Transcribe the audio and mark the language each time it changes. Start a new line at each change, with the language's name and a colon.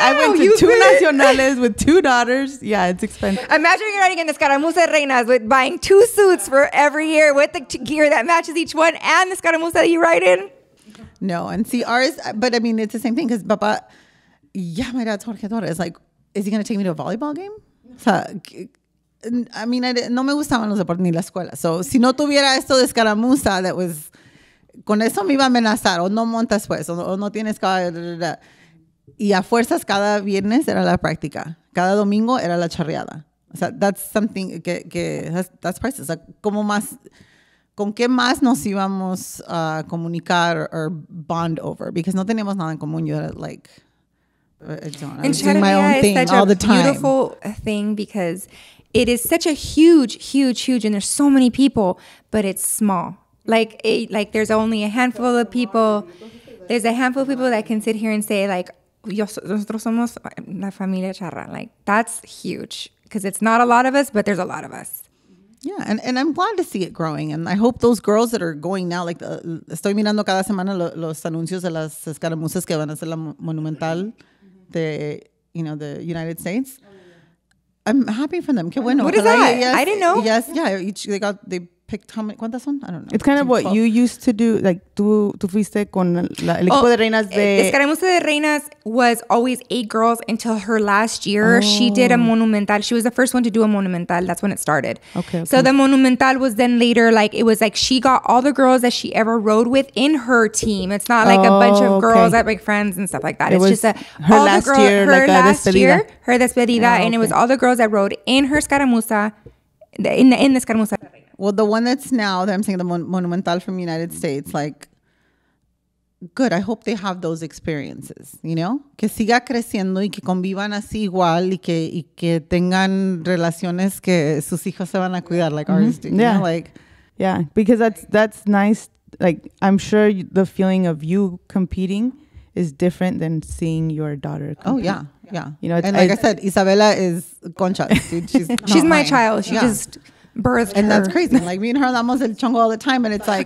English: I went to two Nacionales with two daughters. Yeah, it's expensive. Imagine you're riding in the escaramuza reinas with buying two suits for every year with the gear that matches each one and the escaramuza that you ride in. No, and see, ours, but I mean, it's the same thing because, papa, yeah, my dad's Jorge Torres. Like, is he going to take me to a volleyball game? I mean,
Spanish: no me gustaban los deportes ni la escuela.
English: So,
Spanish: si no tuviera esto de escaramuza
English: that was,
Spanish: con eso me iba a amenazar, o no montas pues, o no tienes caballo. Y a fuerzas, cada viernes era la práctica. Cada domingo era la charreada. O sea,
English: that's something
Spanish: que
English: that's priceless.
Spanish: O sea, ¿cómo más...? ¿Con qué más nos íbamos a comunicar
English: or bond over? Because
Spanish: no teníamos nada en común.
English: You had like, I was doing my own thing all the time. It's such a beautiful thing because it is such a huge, huge, huge, and there's so many people, but it's small. Like, there's only a handful of people. There's a handful of people that can sit here and say, like,
Spanish: nosotros somos la familia charra.
English: Like, that's huge because it's not a lot of us, but there's a lot of us. Yeah, and I'm glad to see it growing.
Spanish: And I hope those girls that are going now,
English: like,
Spanish: estoy mirando cada semana los anuncios de las escaramuzas que van a ser la monumental de,
English: you know, the United States. I'm happy for them.
Spanish: Qué bueno.
English: What is that? I didn't know. Yes, yeah. They picked how many,
Spanish: ¿cuántas son?
English: I don't know. It's kind of what you used to do. Like,
Spanish: tú fuiste con el equipo de reinas de...
English: Escaramuza de reinas was always eight girls until her last year. Oh. She did a monumental. She was the first one to do a monumental. That's when it started. Okay. So the monumental was then later, like, it was like she got all the girls that she ever rode with in her team. It's not like a bunch of girls that make friends and stuff like that. It was just her last year. Her despedida. Oh, okay. And it was all the girls that rode in her escaramuza in the Escaramuza. Well, the one that's now that I'm saying the Monumental from United States, like, good. I hope they have those experiences, you know?
Spanish: Que siga creciendo y que convivan así igual y que tengan relaciones que sus hijos se van a cuidar,
English: like
Spanish: mm-hmm.
English: ours do. Yeah. You know? Like, yeah, because that's nice. Like, I'm sure the feeling of you competing is different than seeing your daughter compete. Oh, yeah, yeah. You know, and like I said, Isabella is Concha. She's she's my child. She yeah. just... birthed and her. That's crazy. Like me and her
Spanish: damos el chongo
English: all the time, and it's like